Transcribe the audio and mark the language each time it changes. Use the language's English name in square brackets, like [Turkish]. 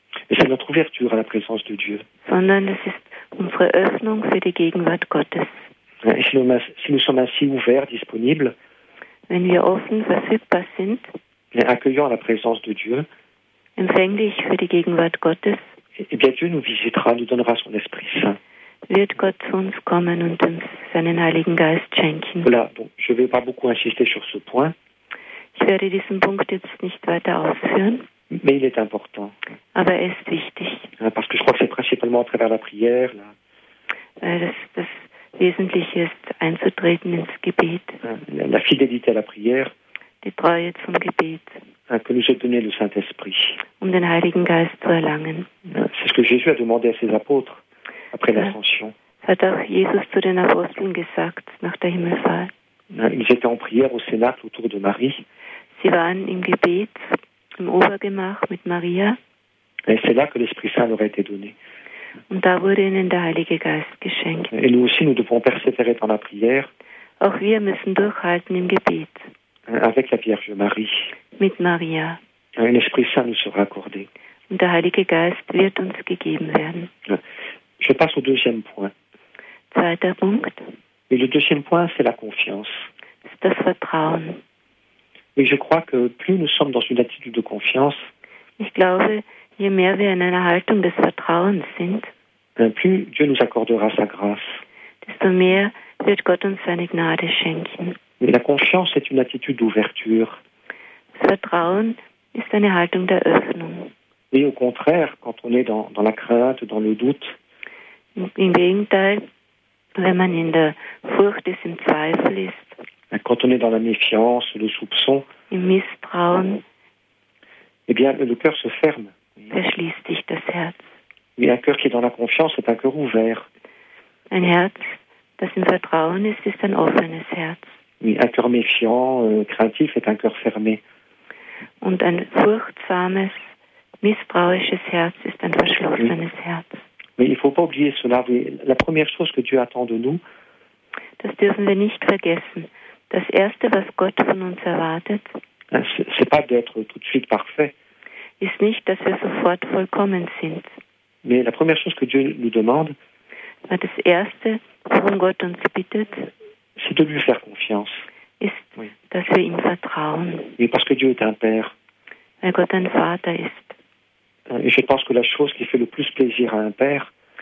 [French] Et c'est notre ouverture à la présence de Dieu. [German] Sondern es ist unsere Öffnung für die Gegenwart Gottes. [French] Si nous sommes ainsi ouverts, disponibles, [German] wenn wir offen, verfügbar sind, [French] accueillant la présence de Dieu, [German] empfänglich für die Gegenwart Gottes, [French] et bien Dieu nous visitera, nous donnera son Esprit Saint. [German] Wird Gott zu uns kommen und uns seinen Heiligen Geist schenken. [French] Voilà, donc je vais pas beaucoup insister sur ce point. [German] Ich werde diesen Punkt jetzt nicht weiter ausführen. [French] Mais il est important. [German] aber er ist wichtig. [French] Parce que je crois que c'est principalement à travers la prière. Là. [German] Das Wesentliche ist, einzutreten ins Gebet. [French] La fidélité à la prière. [German] Die Treue zum Gebet. [French] Que nous a donné le Saint-Esprit. [German] Den Heiligen Geist zu erlangen. [French] C'est ce que Jésus a demandé à ses apôtres après l'Ascension. [German] Hat auch Jesus zu den Aposteln gesagt, nach der Himmelfahrt. [French] Ils étaient en prière au Cénacle autour de Marie. [German] Sie waren im Gebet, im Obergemach mit Maria. [French] Et c'est là que l'Esprit Saint leur a été donné. [German] Und da wurde ihnen der Heilige Geist geschenkt. [French] Et nous aussi, nous devons persévérer dans la prière. [German] Auch wir müssen durchhalten im Gebet. [French] Avec la Vierge Marie. [German] Mit Maria. [French] Et l'Esprit Saint nous sera accordé. [German] Und der Heilige Geist wird uns gegeben werden. [French] Je passe au deuxième point. [German] Zweiter Punkt. [French] Et le deuxième point, c'est la confiance. C'est [German] das Vertrauen. [French] Et je crois que plus nous sommes dans une attitude de confiance, [German] ich glaube, je mehr wir in einer Haltung des Vertrauens sind, [French] plus Dieu nous accordera sa grâce. [German] Desto mehr wird Gott uns seine Gnade schenken. [French] Et la confiance est une attitude d'ouverture. [German] Vertrauen ist eine Haltung der Öffnung. [French] Et au contraire, quand on est dans la crainte, dans le doute, [German] im Gegenteil, wenn man in der Furcht ist, im Zweifel ist, [French] quand on est dans la méfiance, le soupçon, [German] im Misstrauen, [French] eh bien, le cœur se ferme. [German] Verschließt sich das Herz. [French] Et un cœur qui est dans la confiance est un cœur ouvert. [German] Ein Herz, das im Vertrauen ist, ist ein offenes Herz. [French] Et un cœur méfiant, craintif est un cœur fermé. [German] Und ein furchtsames, misstrauisches Herz ist ein verschlossenes Herz. [French] Mais il ne faut pas oublier cela. La première chose que Dieu attend de nous, [German] das dürfen wir nicht vergessen. Das Erste, was Gott von uns erwartet, [French] c'est pas d'être tout de suite parfait, [German] ist nicht, dass wir sofort vollkommen sind. [French] Mais la première chose que Dieu nous demande, [German] das Erste, worum Gott uns bittet, [French] c'est de lui faire confiance. [German] Ist, [French] oui. [German] Dass wir ihm vertrauen. [French] Et parce que Dieu est un Père. [German] Weil Gott ein Vater ist. [French] Et je pense que la chose qui fait le plus plaisir à un père,